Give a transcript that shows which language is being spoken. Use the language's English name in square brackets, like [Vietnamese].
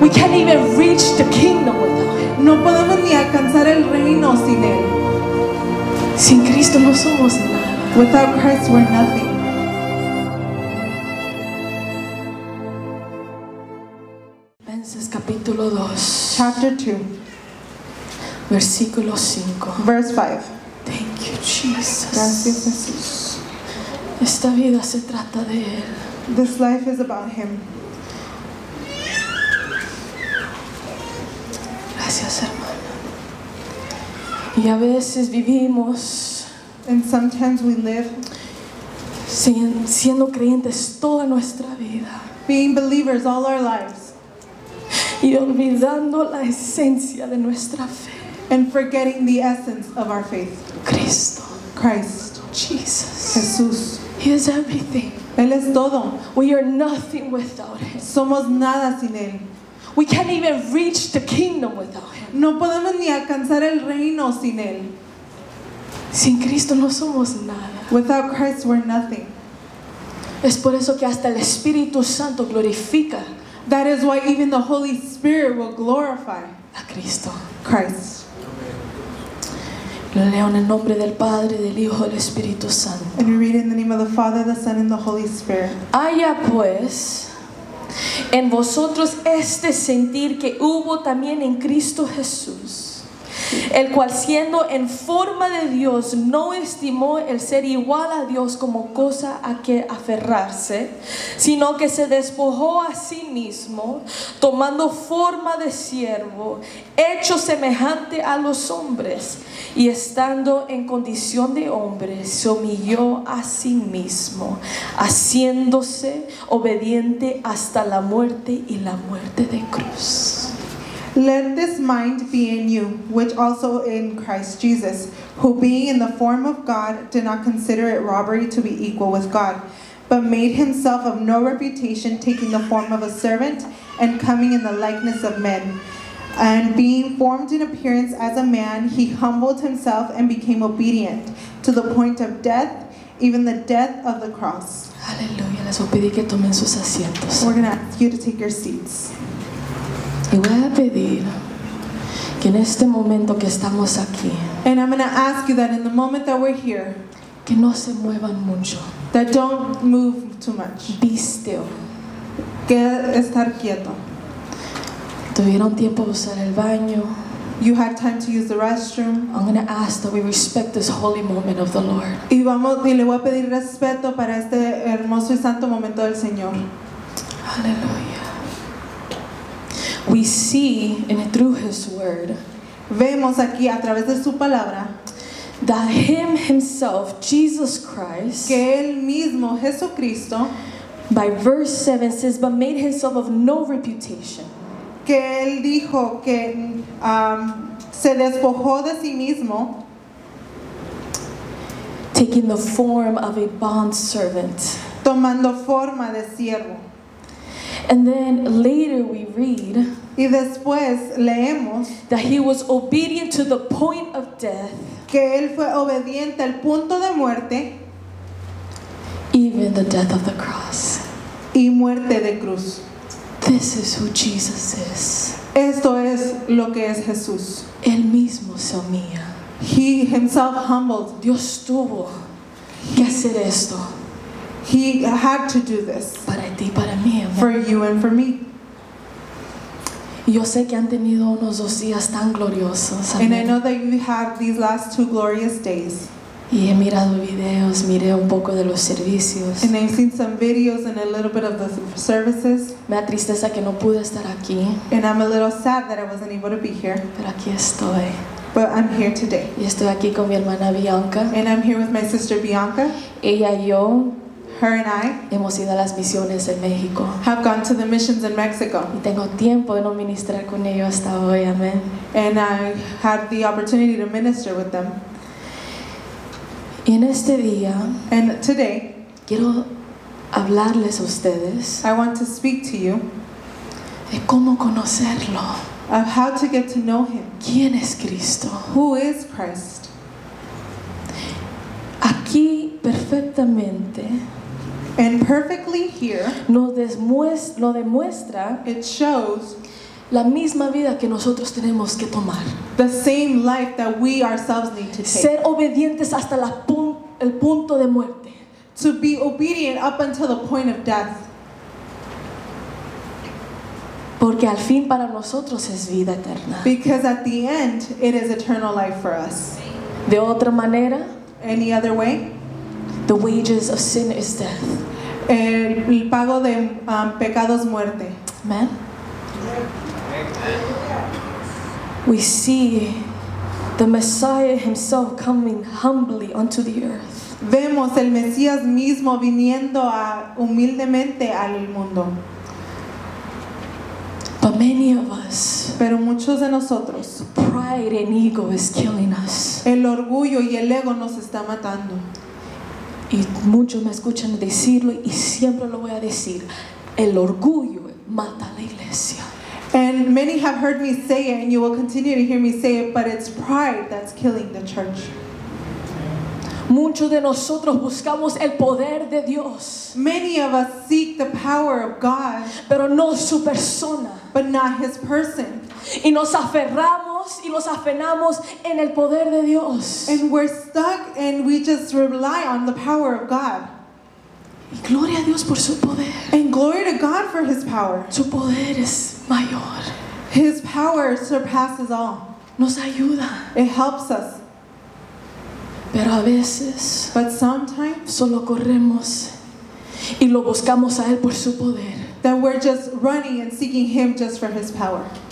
[English] We can't even reach the kingdom without him. [Spanish] No podemos ni alcanzar el reino sin él. Sin Cristo no somos nada. [English] Without Christ we're nothing. [Spanish] Filipenses capítulo 2. [English] Chapter 2. [Spanish] Versículo 5. [English] Verse 5. Thank you, Jesus. [Spanish] Gracias, Jesús. Esta vida se trata de él. [English] This life is about him. [Spanish] Gracias, hermano. Y a veces vivimos, [English] and sometimes we live, [Spanish] siendo creyentes toda nuestra vida, [English] being believers all our lives, [Spanish] y olvidando la esencia de nuestra fe, [English] and forgetting the essence of our faith. [Spanish] Cristo, [English] Christ, Jesus, [Spanish] Jesús. [English] He is everything. [Spanish] Él es todo. [English] We are nothing without him. [Spanish] Somos nada sin él. [English] We can't even reach the kingdom without him. [Spanish] No podemos ni alcanzar el reino sin él. Sin Cristo no somos nada. [English] Without Christ we're nothing. [Spanish] Es por eso que hasta el Espíritu Santo glorifica. [English] That is why even the Holy Spirit will glorify [Spanish] a Cristo. [English] Christ. [Spanish] Lo leo en el nombre del Padre, del Hijo, del Espíritu Santo. [English] And we read in the name of the Father, the Son, and the Holy Spirit. [Spanish] Haya pues en vosotros este sentir que hubo también en Cristo Jesús, el cual siendo en forma de Dios no estimó el ser igual a Dios como cosa a que aferrarse, sino que se despojó a sí mismo, tomando forma de siervo, hecho semejante a los hombres, y estando en condición de hombre, se humilló a sí mismo, haciéndose obediente hasta la muerte y la muerte de cruz. [English] Let this mind be in you, which also in Christ Jesus, who being in the form of God, did not consider it robbery to be equal with God, but made himself of no reputation, taking the form of a servant, and coming in the likeness of men. And being formed in appearance as a man, he humbled himself and became obedient to the point of death, even the death of the cross. [Spanish] Aleluya. Les voy a pedir que tomen sus asientos. [English] We're going to ask you to take your seats. [Spanish] Y voy a pedir que en este momento que estamos aquí, [English] and I'm going to ask you that in the moment that we're here, [Spanish] que no se muevan mucho, [English] that don't move too much, be still, [Spanish] que estar quieto. Tuvieron tiempo de usar el baño, [English] you had time to use the restroom. I'm going to ask that we respect this holy moment of the Lord. [Spanish] Y vamos, y le voy a pedir respeto para este hermoso y santo momento del Señor. [English] Aleluya. We see in it through his word. [Spanish] Vemos aquí a través de su palabra. [English] That him himself, Jesus Christ, [Spanish] que él mismo, Jesucristo, [English] by verse 7 says, but made himself of no reputation. [Spanish] Que él dijo que se despojó de sí mismo, [English] taking the form of a bond servant. [Spanish] Tomando forma de siervo. [English] And then later we read, [Spanish] y después leemos, [English] that he was obedient to the point of death, [Spanish] que él fue obediente al punto de muerte, [English] even the death of the cross, [Spanish] y muerte de cruz. [English] This is who Jesus is. [Spanish] Esto es lo que es Jesús. Él mismo se humilló. [English] He himself humbled. [Spanish] Dios tuvo que hacer esto. [English] He had to do this. [Spanish] Para ti, para mí, [English] for you and for me. [Spanish] Yo sé que han tenido unos dos días tan gloriosos. [English] And I know that you had these last two glorious days. [Spanish] Y he mirado videos, miré un poco de los servicios. [English] And I've seen some videos and a little bit of the services. [Spanish] Me da tristeza que no pude estar aquí. [English] And I'm a little sad that I wasn't able to be here. [Spanish] Pero aquí estoy. [English] But I'm here today. [Spanish] Y estoy aquí con mi hermana Bianca. [English] And I'm here with my sister Bianca. [Spanish] Ella y yo, [English] her and I, [Spanish] hemos ido a las misiones en México. [English] Have gone to the missions in Mexico. [Spanish] Y tengo tiempo de no ministrar con ellos hasta hoy, amen. [English] And I had the opportunity to minister with them. [Spanish] Y en este día, [English] and today, [Spanish] quiero hablarles a ustedes, [English] I want to speak to you, [Spanish] de cómo conocerlo, [English] of how to get to know him. [Spanish] ¿Quién es Cristo? [English] Who is Christ? [Spanish] aquí perfectamente. [English] And perfectly here. [Spanish] Lo demuestra. [English] It shows. [Spanish] La misma vida que nosotros tenemos que tomar. [English] The same life that we ourselves need to take. [Spanish] Ser obedientes hasta el punto de muerte. [English] To be obedient up until the point of death. [Spanish] Porque al fin para nosotros es vida eterna. [English] Because at the end it is eternal life for us. [Spanish] De otra manera. [English] Any other way? The wages of sin is death. [Spanish] El pago de pecado es muerte. [English] Amen. We see the Messiah himself coming humbly onto the earth. [Spanish] Vemos el Mesías mismo viniendo humildemente al mundo. [English] But many of us, [Spanish] pero muchos de nosotros, [English] pride and ego is killing us. [Spanish] El orgullo y el ego nos está matando. Y muchos me escuchan decirlo y siempre lo voy a decir. El orgullo mata a la iglesia. [English] And many have heard me say it, and you will continue to hear me say it, but it's pride that's killing the church. [Spanish] Muchos de nosotros buscamos el poder de Dios. [English] Many of us seek the power of God. [Spanish] Pero no su persona. [English] But not his person. [Spanish] Y nos aferramos y nos afanamos en el poder de Dios. [English] And we're stuck and we just rely on the power of God. [Spanish] Y gloria a Dios por su poder. [English] And glory to God for his power. [Spanish] Su poder es mayor. [English] His power surpasses all. [Spanish] Nos ayuda. [English] It helps us. [Spanish] Pero a veces, [English] but sometimes, [Spanish] solo corremos y lo buscamos a él por su poder. [English] That we're just running and seeking him just for his power.